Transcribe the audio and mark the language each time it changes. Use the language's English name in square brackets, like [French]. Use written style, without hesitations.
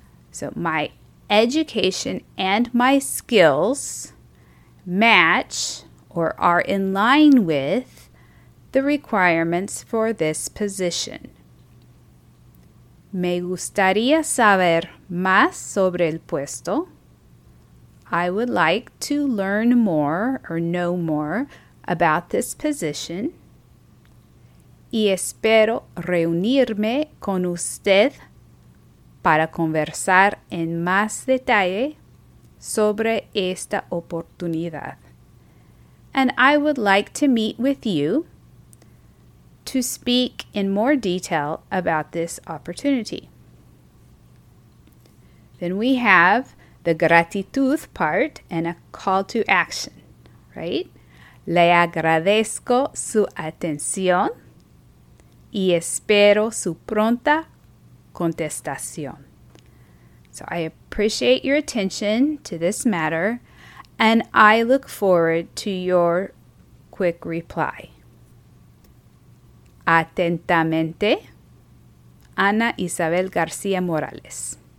[English] So my education and my skills match or are in line with the requirements for this position. [Spanish] Me gustaría saber más sobre el puesto. [English] I would like to learn more or know more about this position. [Spanish] Y espero reunirme con usted para conversar en más detalle sobre esta oportunidad. [English] and I would like to meet with you to speak in more detail about this opportunity. Then we have the gratitud part and a call to action, right? [Spanish] Le agradezco su atención y espero su pronta contestación. [English] So I appreciate your attention to this matter and I look forward to your quick reply. [Spanish] Atentamente, Ana Isabel García Morales.